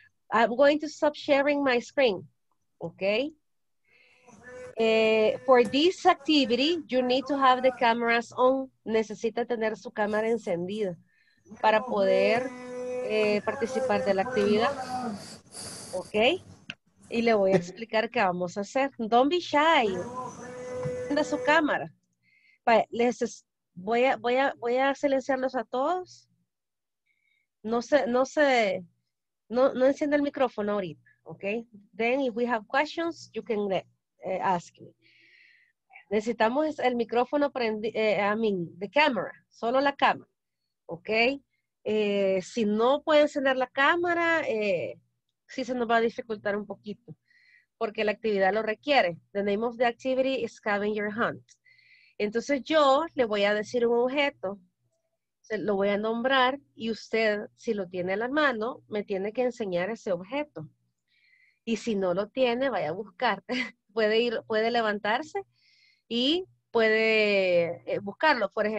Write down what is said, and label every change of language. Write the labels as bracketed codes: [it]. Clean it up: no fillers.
[en] I'm going to stop sharing my screen, okay? For this activity, you need to have the cameras on. [es] Necesita tener su cámara encendida para poder participar de la actividad. Ok. Y le voy a explicar qué vamos a hacer. [en] Don't be shy. [es] Prenda su cámara. Voy a silenciarlos a todos. No encienda el micrófono ahorita. Ok. [en] Then, if we have questions, you can ask me. [es] Necesitamos el micrófono [en] the camera. [es] Solo la cámara. Ok. Si no puede encender la cámara, sí se nos va a dificultar un poquito. Porque la actividad lo requiere. [en] The name of the activity is scavenger hunt. [es] Entonces, yo le voy a decir un objeto. Lo voy a nombrar y usted, si lo tiene a la mano, me tiene que enseñar ese objeto. Y si no lo tiene, vaya a buscar. puede levantarse y puede buscarlo.